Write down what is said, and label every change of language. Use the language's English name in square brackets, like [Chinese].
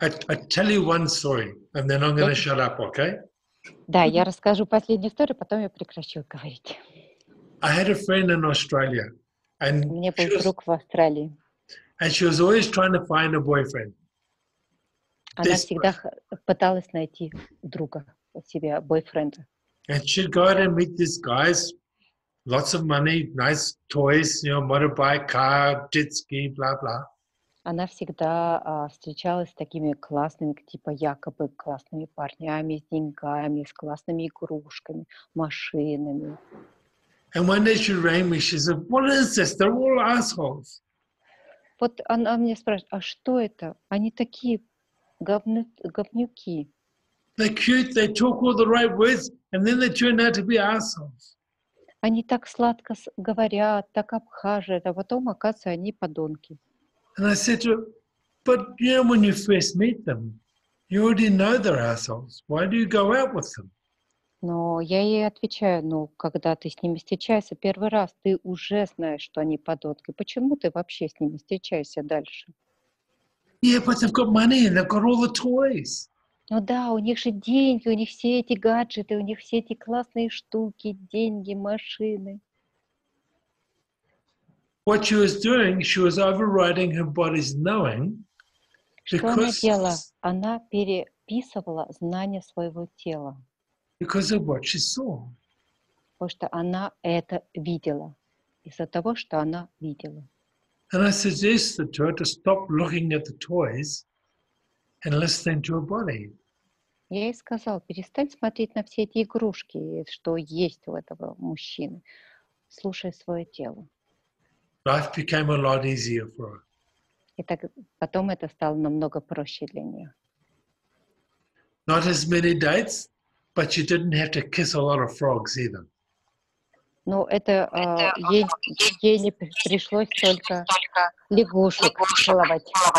[English] I tell you one story, and then I'm going to shut up, okay? [Russian] Да, я расскажу последнюю историю, потом я прекращу говорить. [English] I had a friend in Australia, and [Russian] у меня был друг в Австралии. [English] And she was always trying to find a boyfriend. [Russian] Она всегда пыталась найти друга себе, бойфренда. [English] And she'd go out and meet these guys, lots of money, nice toys, you know, motorbike, car, jet ski, blah blah. [Russian] Она всегда встречалась с такими классными, типа якобы классными парнями с деньгами, с классными игрушками, машинами. [English] And one day she rang me, she said, "What is this? They're all assholes." [Russian] Вот она мне спрашивает, а что это? Они такие говнюки. [English] They're cute, they talk all the right words, and then they turn out to be assholes. [Russian] Они так сладко говорят, так обхаживают, а потом, оказывается, они подонки. [English] And I said to her, but you know, when you first meet them, you already know they're assholes. Why do you go out with them? [Russian] Но я ей отвечаю, ну, когда ты с ними встречаешься первый раз, ты уже знаешь, что они подонки. Почему ты вообще с ними встречаешься дальше? [English] Yeah, but they've got money and they've got all the toys. [Russian] Ну да, у них же деньги, у них все эти гаджеты, у них все эти классные штуки, деньги, машины. [English] What she was doing, she was overriding her body's knowing. [Russian] Что она делала? Она переписывала знания своего тела. [English] Because of what she saw. [Russian] Потому что она это видела. Из-за того, что она видела. [English] And I suggested to her to stop looking at the toys and listening to her body. [Russian] Я ей сказал, перестань смотреть на все эти игрушки, что есть у этого мужчины. Слушай свое тело. [English] Life became a lot easier for her. [Russian] И так потом это стало намного проще для нее. [English] Not as many dates, but she didn't have to kiss a lot of frogs either. [Russian] Ну, это ей не пришлось только лягушек целовать.